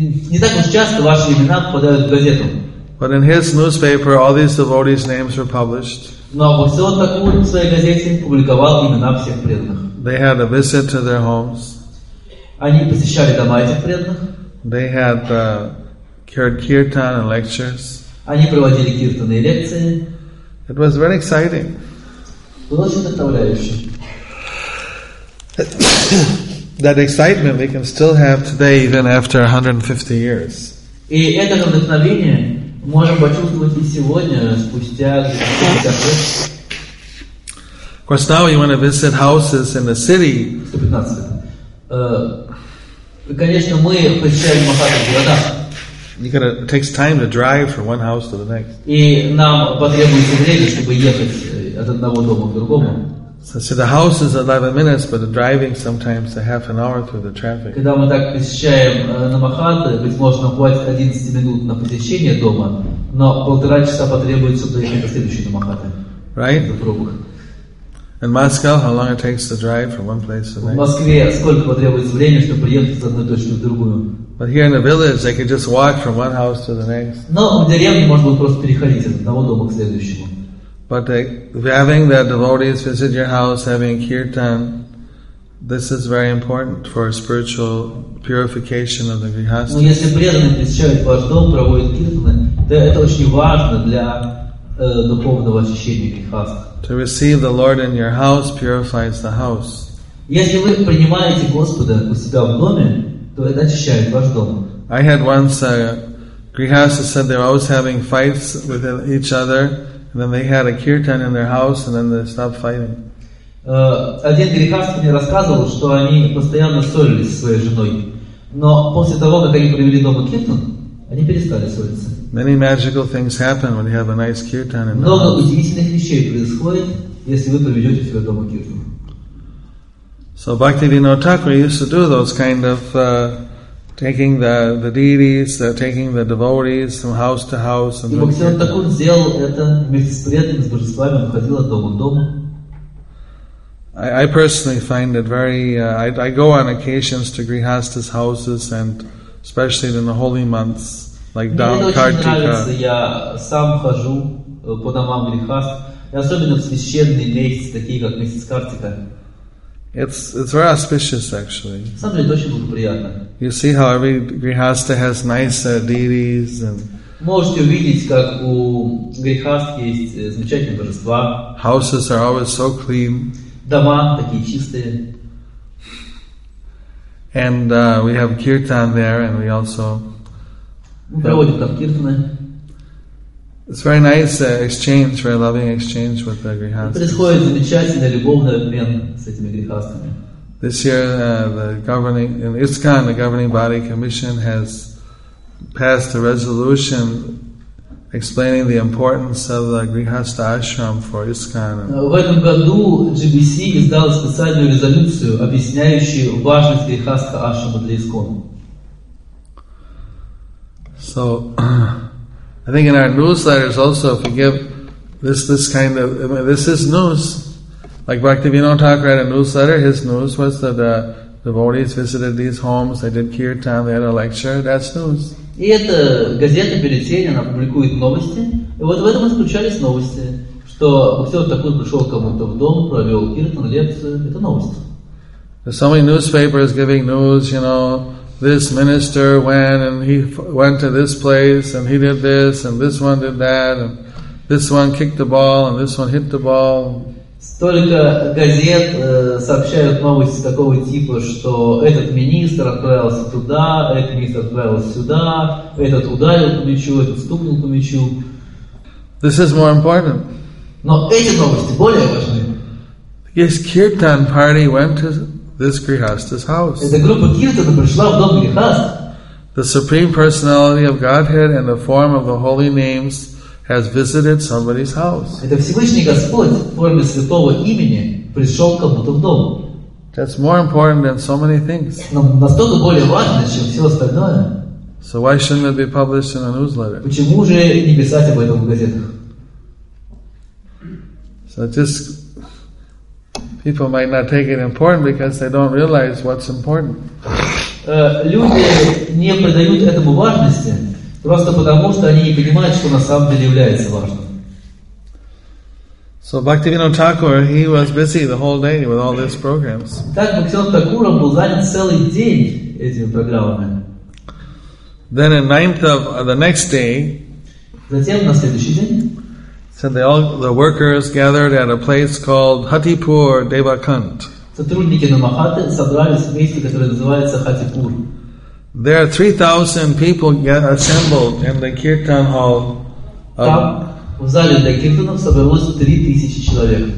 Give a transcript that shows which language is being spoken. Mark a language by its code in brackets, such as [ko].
[ru] Не так уж часто ваши имена попадают в газету. [en] But in his newspaper, all these devotees' names were published. [ru] Но во всем таком в своей газете публиковал имена всех преданных. [en] They had a visit to their homes. [ru] Они посещали дома этих преданных. [en] They had kirtan and lectures. [ru] Они проводили киртаны и лекции. [en] It was very exciting. [ru] Было очень вдохновляюще. [en] That excitement we can still have today, even after 150 years. [ru] И это вдохновение можем почувствовать и сегодня, спустя 150 лет. [en] Of course, now you want to visit houses in the city. 115. [ru] Конечно, мы посещаем махаты в городах. [en] You gotta, it takes time to drive from one house to the next. [ru] И нам потребуется время, чтобы ехать от одного дома к другому. [en] So see, the house is 11 minutes, but the driving sometimes a half an hour through the traffic. [ru] Когда мы так посещаем Намахаты, быть можно хватит 11 минут на посещение дома, но полтора часа потребуется доехать до следующей Намахаты. [en] Right? In Moscow, how long it takes to drive from one place to the next? [ru] В Москве сколько потребуется времени, чтобы приехать с одной точки в другую? [en] But here in the village, they could just walk from one house to the next. [ru] Но в деревне можно просто переходить от одного дома к следующему. [en] But having the devotees visit your house, having kirtan, this is very important for spiritual purification of the grihastha. [ru] Но если преданные посещают ваш дом, проводят киртаны, то это очень важно для духовного очищения грихастхи. [en] To receive the Lord in your house purifies the house. [ru] Если вы принимаете Господа у себя в доме, то это очищает ваш дом. [en] I had once a grihastha said they were always having fights with each other. Then they had a kirtan in their house, and then they stopped fighting. [ru] Один грехастха мне рассказывал, что они постоянно ссорились со своей женой. Но после того, как они провели дома киртан, Они перестали ссориться. [en] Many magical things happen when you have a nice kirtan in the house. [ru] Много удивительных вещей происходит, если вы проведете себя дома киртан. [en] So Bhaktivinoda Thakur used to do those kind of taking the deities, taking the devotees from house to house. And [ru] Bhaktivinoda Thakur сделал это вместе с преданными, с божествами, он ходил от дома к дому. [en] I personally find it very. I go on occasions to Grihastha's houses, and especially in the holy months, like down Kartika. [ru] Я сам хожу по домам Грихастхи, особенно в священные месяцы, такие как месяц Картика. [en] It's very auspicious, actually. [ru] Сам это очень благоприятно. [en] You see how every Grihastha has nice deities and. [ru] Можете увидеть, как у Грихастхи есть замечательные божества. [en] Houses are always so clean. [ru] Дома такие чистые. [en] And we have kirtan there, and we also. [ru] Мы проводим там киртаны. [en] It's very nice exchange, very loving exchange with the grihasthas. [ru] Происходит замечательный любовный обмен с этими грихастами. [en] This year, the governing in ISKCON, the governing body commission has passed a resolution explaining the importance of the grihastha ashram for ISKCON. [ru] В этом году GBC издал специальную резолюцию, объясняющую важность грихастха ашрама для ISKCON. [en] So. I think in our newsletters also, if we give this kind of, I mean, this is news. Like Bhaktivinoda Thakur had a newsletter, his news was that the devotees visited these homes, they did kirtan, they had a lecture, that's news. [ru] И эта газета «Бюллетень», она публикует новости, и вот в этом исключались новости, что Бхактивинода Тхакур пришел кому-то в дом, провел киртан, лекцию, это новость. [en] There's so many newspapers giving news, you know, this minister went and he went to this place and he did this and this one did that and this one kicked the ball and this one hit the ball. [ru] Столько газет сообщают новости такого типа, что этот министр отправился туда, этот министр отправился сюда, этот ударил по мячу, этот стукнул по мячу. [en] This is more important. [ru] Но эти новости более важны. [en] His kirtan party went to this Grihastha's house. [ru] Эта группа киртана пришла в дом Грихаст. [en] The Supreme Personality of Godhead and the form of the holy names has visited somebody's house. [ru] Это Всевышний Господь в форме святого имени пришел кому-то в дом. [en] That's more important than so many things. [ru] Но настолько более важно, чем все остальное. [en] So why shouldn't it be published in a newsletter? [ru] Почему же не писать об этом в газетах? [en] So just. People might not take it important because they don't realize what's important. [ru] Люди не придают этому важности просто потому, что они не понимают, что на самом деле является важным. [en] So Bhaktivinoda Thakur, he was busy the whole day with all these programs. [ru] Так Бхактивинода Тхакура был занят целый день этими программами. [en] Then at 9th of the next day. [ru] Затем на следующий день. [en] So they all the workers gathered at a place called Hatipur Devakant. [ru] Сотрудники на Махате собрались в месте, которое называется Хатипур. [en] There are 3,000 people assembled in the kirtan hall. [ru] Там в зале для киртанов собралось 3,000 человек.